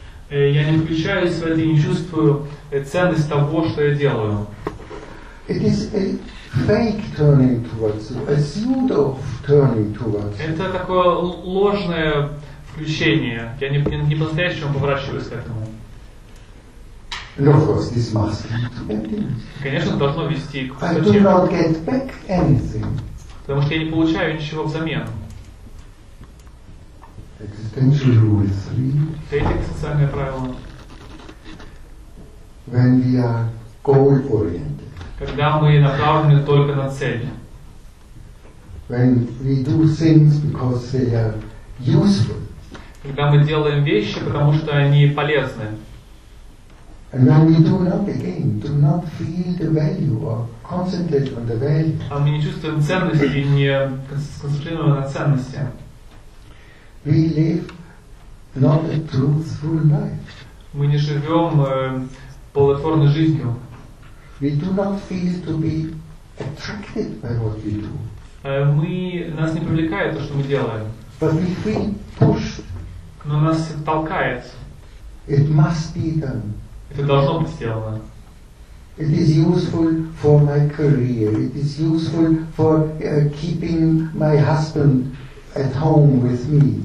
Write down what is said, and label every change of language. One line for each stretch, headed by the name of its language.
Russian: Я не включаюсь в это и не чувствую ценность того, что я делаю.
English: It is a fake turning towards, a pseudo turning towards.
Russian: Это такое ложное включение. Я не по-настоящему поворачиваюсь к этому.
English: And of course, this must lead to emptiness.
Russian: Конечно, должно вести к пустоте.
English: I do not get back anything.
Russian: Потому что я не получаю ничего взамен.
English: Existential rule 3.
Russian: Третье социальное правило.
English: When we are goal oriented.
Russian: Когда мы направлены только на цели.
English: When we do things because they are useful.
Russian: Когда мы делаем вещи, потому что они полезны.
English: And when we do not again, do not feel the value or concentrate on the value.
Russian: А мы не чувствуем ценности и не концентрируем на ценности.
English: We live not a truthful life.
Russian: Мы не живем плодотворной жизнью.
English: We do not feel to be attracted by what we do.
Russian: Нас не привлекает то, что мы делаем.
English: But we feel pushed.
Russian: Но нас толкает.
English: It must be done.
Russian: Это должно быть сделано.
English: It is useful for my career. It is useful for keeping my husband at home with me.